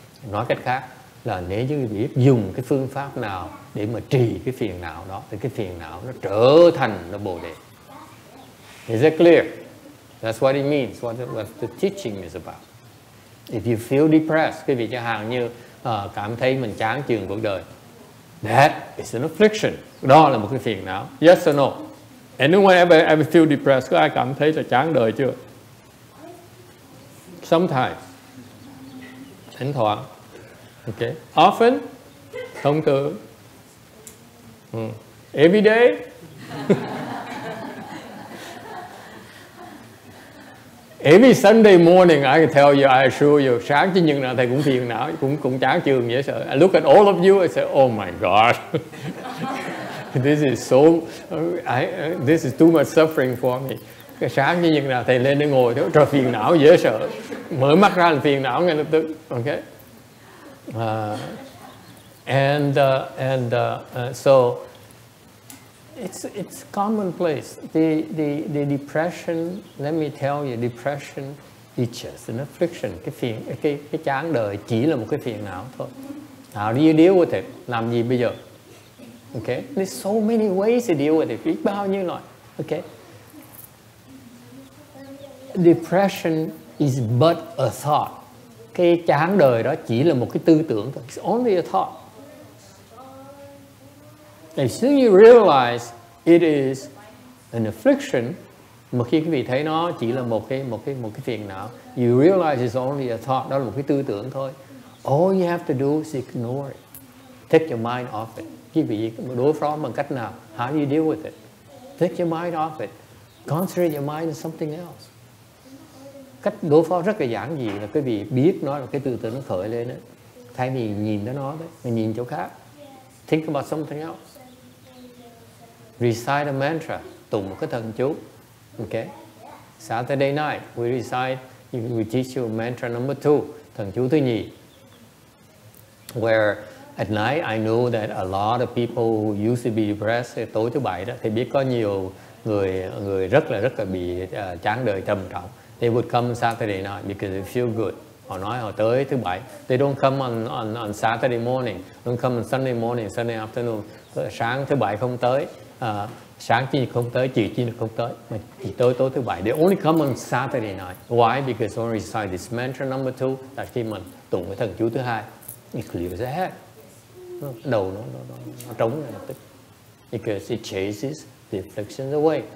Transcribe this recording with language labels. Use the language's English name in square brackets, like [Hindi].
[Vietnamese] Nói cách khác là nếu như biết dùng cái phương pháp nào để mà trì cái phiền não đó, thì cái phiền não nó trở thành nó Bồ Đề. [English] Is that clear? That's what it means, what the teaching is about. If you feel depressed, [Vietnamese] quý vị chẳng hạn như cảm thấy mình chán chường cuộc đời, [English] that is an affliction. [Vietnamese] Đó là một cái phiền não. [English] Yes or no? Anyone ever feel depressed? [Vietnamese] Có ai cảm thấy là chán đời chưa? [English] Sometimes. [Vietnamese] Thỉnh thoảng. [English] Okay. Often. [Vietnamese] Thông thường. [English] Every day. Every Sunday morning, I can tell you, I assure you, [Vietnamese] sáng chứ nhưng nào thầy cũng phiền não, cũng chán trường dễ sợ. [English] I look at all of you, I say, oh my God, this is so, this is too much suffering for me. [Vietnamese] Sáng chứ nhưng nào thầy lên đây ngồi, trời phiền não dễ sợ. Mở mắt ra là phiền não ngay lập tức, [English] okay? So, It's commonplace. The depression, let me tell you, depression is just an affliction. [Vietnamese] Cái chán đời chỉ là một cái phiền não thôi. [English] How do you deal with it? [Vietnamese] Làm gì bây giờ? [English] Okay. There's so many ways to deal with it. [Vietnamese] Biết bao nhiêu loại. Okay. [English] Depression is but a thought. [Vietnamese] Cái chán đời đó chỉ là một cái tư tưởng thôi. [English] It's only a thought. As soon as you realize it is an affliction, [Vietnamese] mà khi quý vị thấy nó chỉ là một cái phiền não, [English] you realize it's only a thought, [Vietnamese] đó là một cái tư tưởng thôi. [English] All you have to do is ignore it. Take your mind off it. [Vietnamese] Quý vị đối phó bằng cách nào? [English] How do you deal with it? Take your mind off it. Concentrate your mind on something else. [Vietnamese] Cách đối phó rất là giản dị là quý vị biết nó là cái tư tưởng nó khởi lên đấy. Thay vì nhìn tới nó đấy, mình nhìn chỗ khác. [English] Think about something else. Recite a mantra, [Vietnamese] tụng một cái thần chú. [English] Okay. Saturday night, we recite, we teach you mantra number two, [Vietnamese] thần chú thứ nhì. [English] Where at night, I know that a lot of people used to be depressed, [Vietnamese] tối thứ bảy đó, thì biết có nhiều người rất là bị chán đời trầm trọng. [English] They would come Saturday night because they feel good. [Vietnamese] Họ nói họ tới thứ bảy. [English] They don't come on Saturday morning, don't come on Sunday morning, Sunday afternoon. [Vietnamese] Sáng thứ bảy không tới. Sáng chi không tới, chiều chi không tới, mà chỉ tối thứ bảy. [English] They only come on Saturday night. Why? Because when we recite this mantra number two, [Vietnamese] là khi mình tụng cái thần chú thứ hai, [English] it clears the head. [Vietnamese] Đầu nó trống lại lập tức. [English] Because it chases the afflictions away.